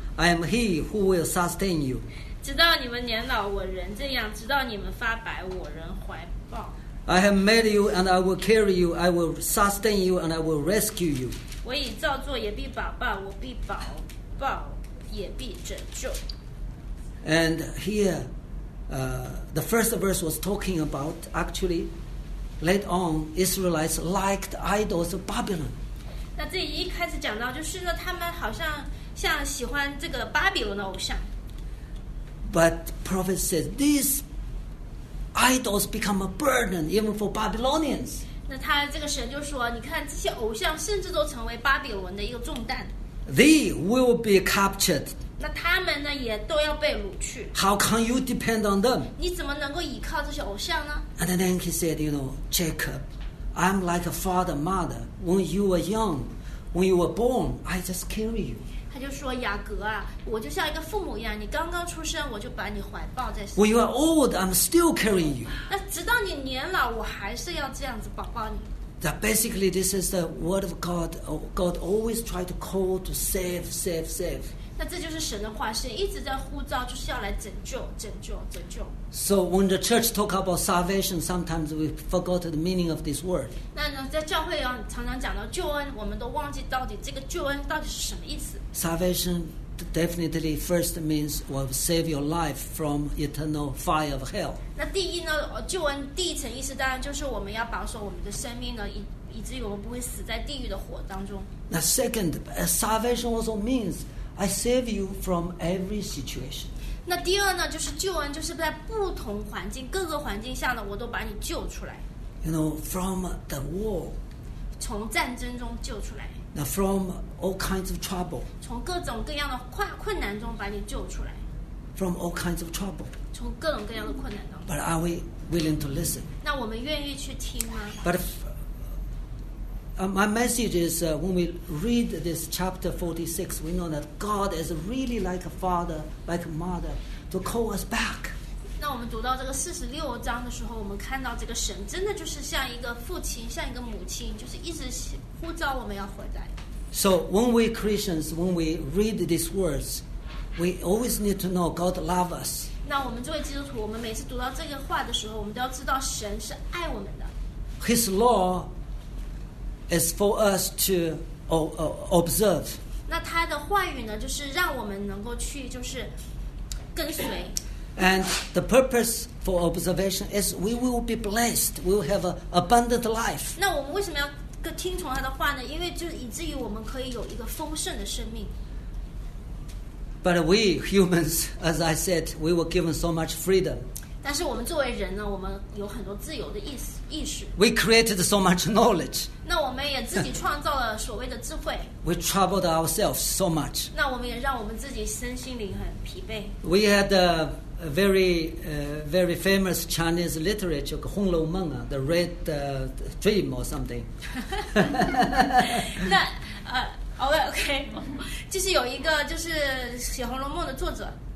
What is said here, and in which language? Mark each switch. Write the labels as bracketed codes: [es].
[en] I am he who will sustain you. [zh] 直到你们年老，我仍这样；直到你们发白，我仍怀抱。 [en] I have made you, and I will carry you. I will sustain you, and I will rescue you. [zh] 我已造作，也必保抱；我必保抱，也必拯救。 [en] And here, the first verse was talking about actually. Late on, Israelites liked idols of Babylon. [zh] 那这一开始讲到，就是呢，他们好像像喜欢这个巴比伦的偶像。 [en] But prophet says these idols become a burden even for Babylonians. [zh] 那他这个神就说，你看这些偶像甚至都成为巴比伦的一个重担。 [en] They will be captured. [zh] 那他们呢，也都要被掳去。 [en] How can you depend on them? [zh] 你怎么能够依靠这些偶像呢？ [en] And then he said, you know, Jacob, I'm like a father, mother. When you were young, when you were born, I just carry you. [zh] 他就说雅各啊，我就像一个父母一样，你刚刚出生，我就把你怀抱在身。 [en] When you are old, I'm still carrying you. [zh] 那直到你年老，我还是要这样子抱抱你。 [en] That basically this is the word of God. God always tried to call to save, save, save. [zh] 那这就是神的话，神一直在呼召，就是要来拯救，拯救，拯救。 [en] So when the church talk about salvation, sometimes we forgot the meaning of this word. [zh] 那在教会上常常讲到救恩，我们都忘记到底这个救恩到底是什么意思。 [en] Salvation definitely first means will save your life from eternal fire of hell. [zh] 那第一呢，救恩第一层意思当然就是我们要保守我们的生命呢，以至于我们不会死在地狱的火当中。 [en] 那 second, salvation also means I save you from every situation. [zh] 那第二呢，就是救恩就是在不同环境各个环境下呢，我都把你救出来。 [en] You know, from the war. [zh] 从战争中救出来。 [en] Now from all kinds of trouble. [zh] 从各种各样的困难中把你救出来。 [en] From all kinds of trouble. [zh] 从各种各样的困难中。 [en] But are we willing to listen? [zh] 那我们愿意去听吗？ [en] But if,my message is when we read this chapter 46, we know that God is really like a father, like a mother, to call us back. [zh] 那我们读到这个四十六章的时候，我们看到这个神真的就是像一个父亲，像一个母亲，就是一直呼召我们要回来。 [en] So when we Christians, when we read these words, we always need to know God loves us. [zh] 那我们作为基督徒，我们每次读到这个话的时候，我们都要知道神是爱我们的。 [en] His law is for us to observe. [zh] 那他的话语呢，就是让我们能够去，就是跟随。 [en] And the purpose for observation is we will be blessed. We will have an abundant life. [zh] 那我们为什么要听从他的话呢？因为就以至于我们可以有一个丰盛的生命。 [en] But we humans, as I said, we were given so much freedom. [zh] 但是我们作为人呢，我们有很多自由的意识。 [en] We created so much knowledge. [zh] 那我们也自己创造了所谓的智慧。 [en] We troubled ourselves so much. [zh] 那我们也让我们自己身心灵很疲惫。 [en] We had a very famous Chinese literature, 红楼梦 the Red Dream or something. [zh] 那OK， 就是有一个就是写红楼梦的作者。